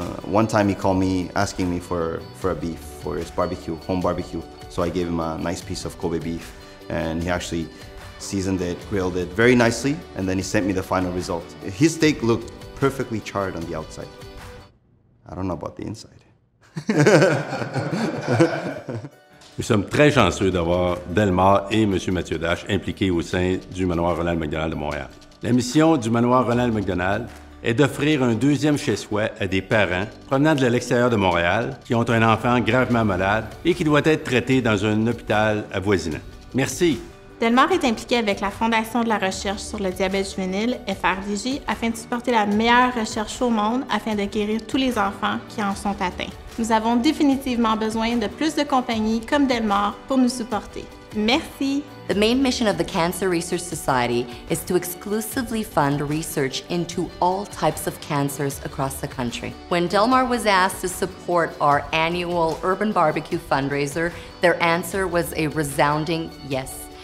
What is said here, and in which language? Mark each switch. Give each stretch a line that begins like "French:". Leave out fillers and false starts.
English: One time he called me asking me for a beef for his barbecue, home barbecue. So I gave him a nice piece of Kobe beef and he actually seasoned it, grilled it very nicely, and then he sent me the final result. His steak looked perfectly charred on the outside. I don't know about the inside.
French: Nous sommes très chanceux d'avoir Delmar et M. Mathieu Dash impliqués au sein du manoir Ronald McDonald de Montréal. La mission du manoir Ronald McDonald est d'offrir un deuxième chez-soi à des parents provenant de l'extérieur de Montréal qui ont un enfant gravement malade et qui doit être traité dans un hôpital avoisinant. Merci! Delmar est impliqué avec la Fondation de la recherche sur le diabète juvénile, FRDJ, afin de supporter la meilleure recherche au monde afin de guérir tous les enfants qui en sont atteints. Nous avons définitivement besoin de plus de compagnies comme Delmar pour nous supporter. Merci!
English: The main mission of the Cancer Research Society is to exclusively fund research into all types of cancers across the country. When Delmar was asked to support our annual Urban Barbecue fundraiser, their answer was a resounding yes.